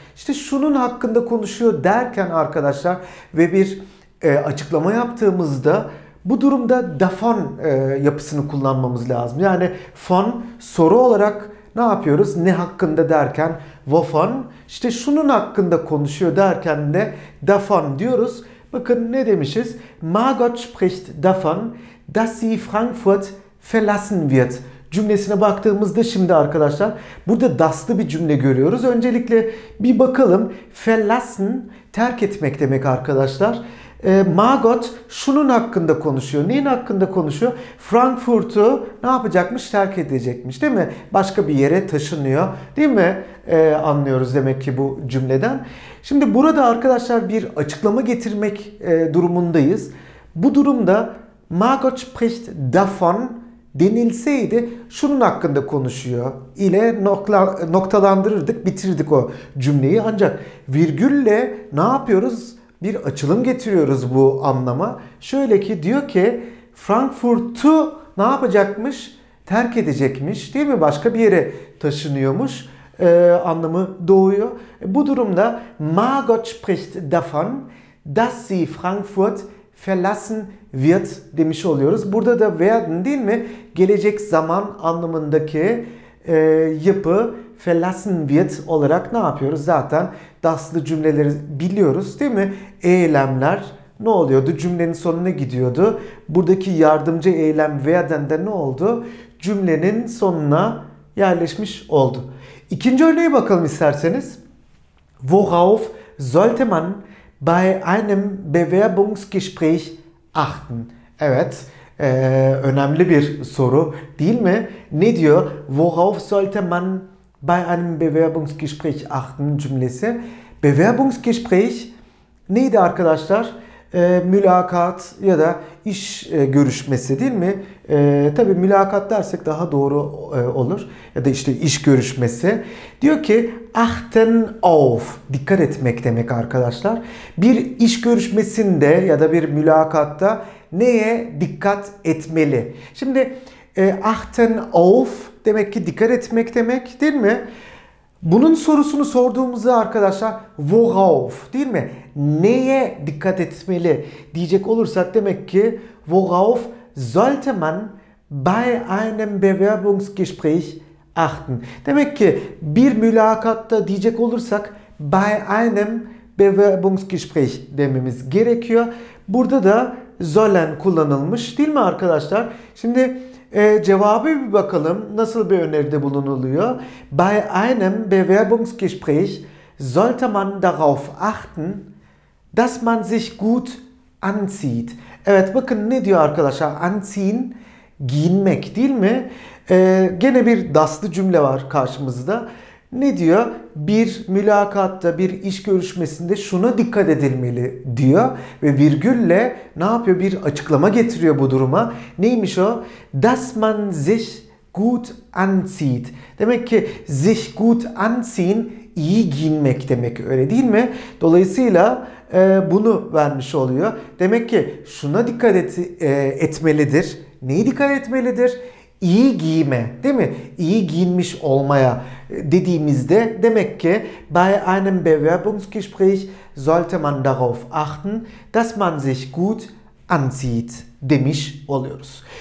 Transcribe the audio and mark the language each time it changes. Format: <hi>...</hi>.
<tr>İşte şunun hakkında konuşuyor derken arkadaşlar ve bir açıklama yaptığımızda bu durumda davon yapısını kullanmamız lazım. Yani von soru olarak ne yapıyoruz? Ne hakkında derken wovon, işte şunun hakkında konuşuyor derken de davon diyoruz. Bakın ne demişiz?</tr> <de>Margot spricht davon, dass sie Frankfurt verlassen wird.</de> <tr>Cümlesine baktığımızda şimdi arkadaşlar burada das'lı bir cümle görüyoruz. Öncelikle bir bakalım. Verlassen terk etmek demek arkadaşlar. Margot şunun hakkında konuşuyor. Neyin hakkında konuşuyor? Frankfurt'u ne yapacakmış? Terk edecekmiş değil mi? Başka bir yere taşınıyor değil mi? Anlıyoruz demek ki bu cümleden. Şimdi burada arkadaşlar bir açıklama getirmek durumundayız. Bu durumda</tr> <de>Margot spricht davon</de> <tr>denilseydi şunun hakkında konuşuyor ile noktalandırırdık, bitirdik o cümleyi. Ancak virgülle ne yapıyoruz? Bir açılım getiriyoruz bu anlama. Şöyle ki diyor ki Frankfurt'u ne yapacakmış? Terk edecekmiş değil mi? Başka bir yere taşınıyormuş anlamı doğuyor. Bu durumda</tr> <de>Margot spricht davon, dass sie Frankfurt verlassen wird</de> <tr>demiş oluyoruz. Burada da werden değil mi? Gelecek zaman anlamındaki yapı</tr> <de>verlassen wird</de> <tr>olarak ne yapıyoruz? Zaten daslı cümleleri biliyoruz değil mi? Eylemler ne oluyordu? Cümlenin sonuna gidiyordu. Buradaki yardımcı eylem werden de ne oldu? Cümlenin sonuna yerleşmiş oldu. İkinci örneğe bakalım isterseniz.</tr> <de>Worauf sollte man bei einem Bewerbungsgespräch achten?</de> <tr>Evet, önemli bir soru değil mi? Ne diyor?</tr> <de>Worauf sollte man bei einem Bewerbungsgespräch achten</de> <tr>cümlesi. Bewerbungsgespräch neydi arkadaşlar? Mülakat ya da iş görüşmesi değil mi? Tabii mülakat dersek daha doğru olur. Ya da işte iş görüşmesi. Diyor ki achten auf. Dikkat etmek demek arkadaşlar. Bir iş görüşmesinde ya da bir mülakatta neye dikkat etmeli? Şimdi achten auf demek ki dikkat etmek demek değil mi? Bunun sorusunu sorduğumuzda arkadaşlar worauf değil mi? Neye dikkat etmeli diyecek olursak demek ki</tr> <de>worauf sollte man bei einem Bewerbungsgespräch achten.</de> <tr>Demek ki bir mülakatta diyecek olursak</tr> <de>bei einem Bewerbungsgespräch</de> <tr>dememiz gerekiyor. Burada da sollen kullanılmış değil mi arkadaşlar? Şimdi cevabı bir bakalım. Nasıl bir öneride bulunuluyor?</tr> <de>Bei einem Bewerbungsgespräch sollte man darauf achten, dass man sich gut anzieht.</de> <tr>Evet, bakın ne diyor arkadaşlar? Anziehen, giyinmek değil mi? Gene bir daslı cümle var karşımızda. Ne diyor? Bir mülakatta, bir iş görüşmesinde şuna dikkat edilmeli diyor. Ve virgülle ne yapıyor? Bir açıklama getiriyor bu duruma. Neymiş o?</tr> <de>Dass man sich gut anzieht.</de> <tr>Demek ki</tr> <de>sich gut anziehen,</de> <tr>iyi giyinmek demek, öyle değil mi? Dolayısıyla bunu vermiş oluyor. Demek ki şuna dikkat etmelidir. Neye dikkat etmelidir? İyi giyime değil mi? İyi giyinmiş olmaya dediğimizde demek ki</tr> <de>bei einem Bewerbungsgespräch sollte man darauf achten, dass man sich gut anzieht</de> <tr>demiş oluyoruz.</tr>